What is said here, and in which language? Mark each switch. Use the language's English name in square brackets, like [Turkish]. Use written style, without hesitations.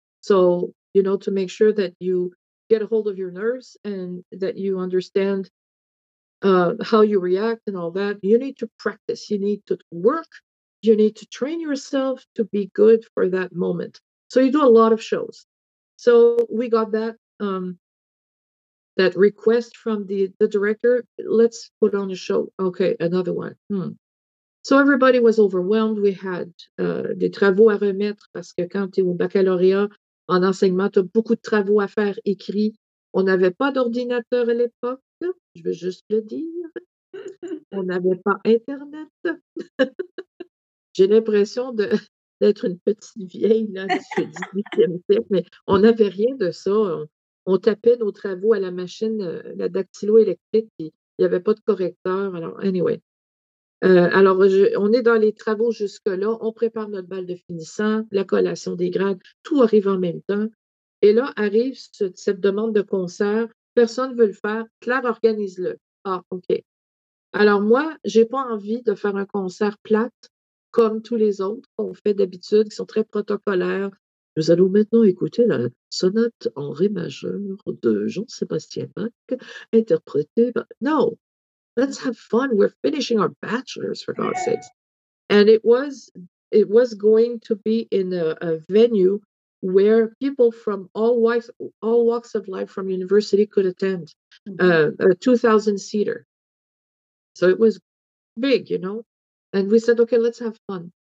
[English] So, you know, to make sure that you get a hold of your nerves and that you understand how you react and all that, you need to practice, you need to work, you need to train yourself to be good for that moment. So you do a lot of shows. So we got that that request from the director, let's put on a show. Okay, another one. So everybody was overwhelmed. We had [French] des travaux à remettre parce que quand tu es au baccalauréat en enseignement, tu as beaucoup de travaux à faire écrits. On n'avait pas d'ordinateur à l'époque, je veux juste le dire. On n'avait pas Internet. J'ai l'impression d'être une petite vieille là, du 18e siècle, mais on n'avait rien de ça. On tapait nos travaux à la machine, la dactylo électrique, et il n'y avait pas de correcteur. Alors, anyway. On est dans les travaux jusque-là. On prépare notre bal de finissant, la collation des grades, tout arrive en même temps. Et là, arrive cette demande de concert. Personne ne veut le faire. Claire, organise-le. Ah, OK. Alors, moi, je n'ai pas envie de faire un concert plate comme tous les autres qu'on fait d'habitude, qui sont très protocolaires. Nous allons maintenant écouter la sonate en ré majeur de Jean-Sébastien Bach, interprétée par... [English] No! Let's have fun. We're finishing our bachelor's, for God's sakes. And it was going to be in a venue where people from all walks of life from university could attend, a 2,000-seater. So it was big, you know? And we said, okay, let's have fun.